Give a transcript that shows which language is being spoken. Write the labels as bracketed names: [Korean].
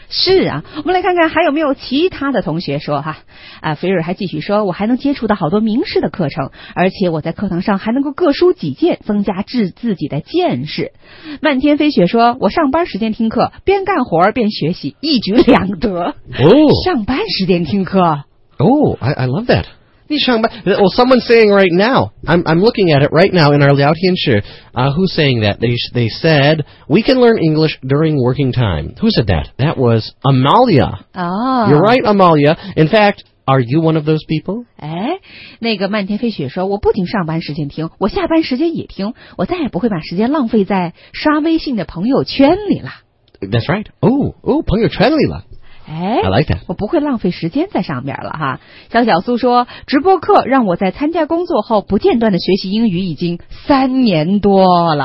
[Chinese] 是啊，我们来看看还有没有其他的同学说哈。啊，菲尔还继续说，我还能接触到好多名师的课程，而且我在课堂上还能够各抒己见，增加自己的见识。漫天飞雪说，我上班时间听课，边干活边学习，一举两得。 Oh. 上班时间听课。 [English] Oh, I love that. Someone's saying right now, I'm looking at it right now in our Liao Tian Shi, who's saying that? They said, we can learn English during working time. Who said that? That was Amalia. Oh. You're right, Amalia. In fact, are you one of those people? [Chinese] 哎，那个漫天飞雪说，我不仅上班时间听，我下班时间也听，我再也不会把时间浪费在刷微信的朋友圈里了。 [English] That's right. Oh, [Chinese] 朋友圈里了。哎 [English] I like that. [Chinese] 我不会浪费时间在上面了哈。小小苏说，直播课让我在参加工作后不间断的学习英语已经三年多了。